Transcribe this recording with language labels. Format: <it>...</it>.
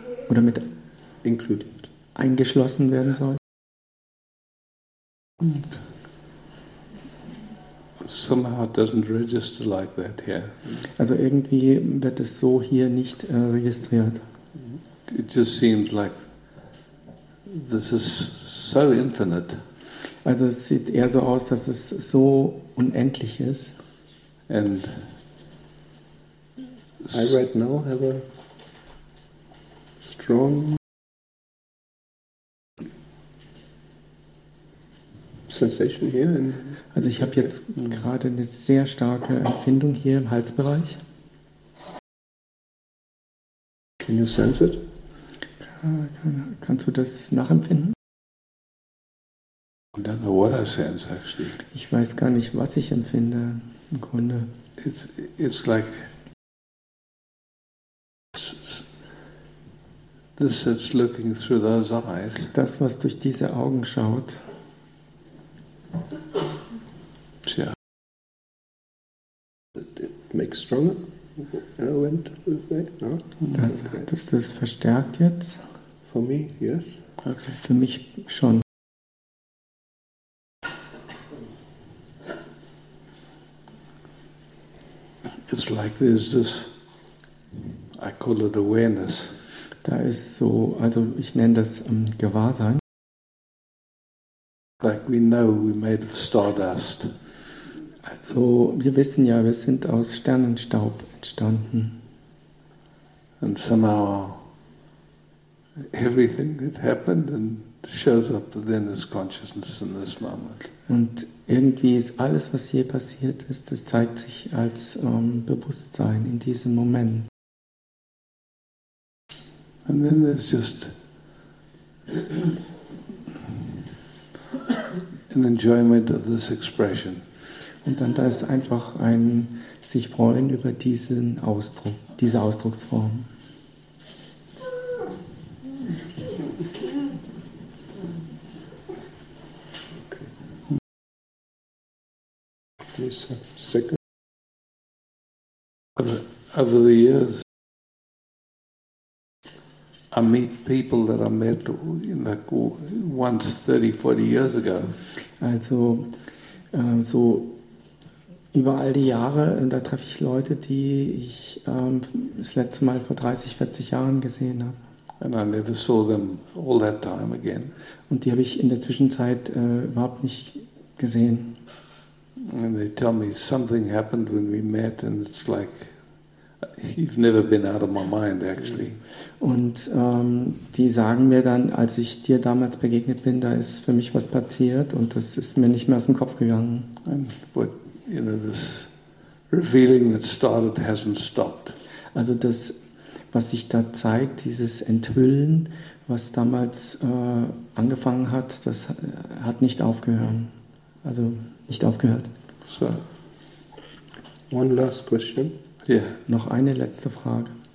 <de>Oder mit</de> <en>included.</en> <de>Eingeschlossen werden soll?</de> <en>Somehow doesn't register like that here.</en> <de>Also irgendwie wird es so hier nicht registriert.</de> <en>It just seems like this is so infinite.</en> <de>Also es sieht eher so aus, dass es so unendlich ist.</de> <en>And I right now have a strong sensation here.</en> <de>Also ich habe jetzt gerade eine sehr starke Empfindung hier im Halsbereich.</de> <en>Can you sense it?</en> <de>Kannst du das nachempfinden?</de> <en>I don't know what I sense actually.</en> <de>Ich weiß gar nicht, was ich empfinde im Grunde.</de> <en>It's like this that's looking through those eyes.</en> <de>Das, was durch diese Augen schaut. Tja.</de> <en>It makes stronger. Went this way. No?</en> <de>Das, okay. Das verstärkt jetzt.</de> <en>For me, yes.</en> <de>Okay. Für mich schon.</de> <en>It's like there's this, I call it awareness.</en> <de>Da ist so, also ich nenne das Gewahrsein.</de> <en>Like we know we're made of stardust.</en> <de>Also wir wissen ja, wir sind aus Sternenstaub entstanden.</de> <en>And somehow everything that happened and shows up then is consciousness in this moment.</en> <de>Und irgendwie ist alles, was hier passiert ist, das zeigt sich als Bewusstsein in diesem Moment.</de> <en>And then there's just an enjoyment of this expression.</en> <de>Und dann da ist einfach ein sich freuen über diesen Ausdruck, diese Ausdrucksform.</de> <en>Over the years, I meet people that I met like once 30, 40 years ago.</en> <de>Also, so über all die Jahre, und da treffe ich Leute, die ich das letzte Mal vor 30, 40 Jahren gesehen habe.</de> <en>And I never saw them all that time again.</en> <de>Und die habe ich in der Zwischenzeit überhaupt nicht gesehen.</de> <en>And they tell me something happened when we met, and it's like you've never been out of my mind, actually.</en> <de>Und die sagen mir dann, als ich dir damals begegnet bin, da ist für mich was passiert und das ist mir nicht mehr aus dem Kopf gegangen.</de> <en>And what, you know, this revealing that started hasn't stopped.</en> <de>Also das, was sich da zeigt, dieses Enthüllen, was damals angefangen hat, das hat nicht aufgehört. Also nicht aufgehört.</de> <en>So, one last question. Yeah.</en> <de>Noch eine letzte Frage.</de>